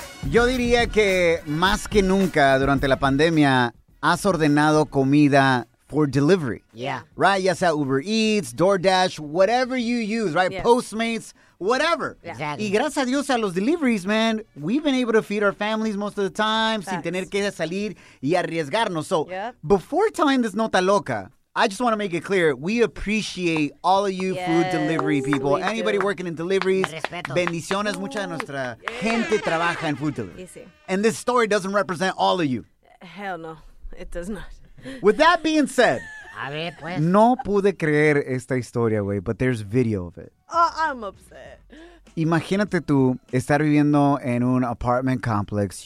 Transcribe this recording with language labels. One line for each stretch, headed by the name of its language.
Spanish: Yo diría que más que nunca durante la pandemia has ordenado comida
English: for delivery. Yeah. Right?
Spanish: Ya sea
English: Uber Eats, DoorDash, whatever you use, right? Yeah. Postmates, whatever. Yeah. Exactly.
Spanish: Y gracias a Dios a los deliveries,
English: man, we've been able to feed our families most of the time. Facts.
Spanish: Sin tener que salir y arriesgarnos.
English: So before telling this nota loca, I just want to make it clear, we appreciate all of you food delivery people. Anybody working in deliveries, bendiciones.
Spanish: Mucha de nuestra gente trabaja en
English: food delivery.
Spanish: Sí.
English: And this story doesn't represent all of you. Hell no, it does not. With that being said,
Spanish: a ver, pues. No pude creer esta historia, güey,
English: but there's video of it. Oh, I'm upset.
Spanish: Imagínate tú estar viviendo en un
English: apartment complex.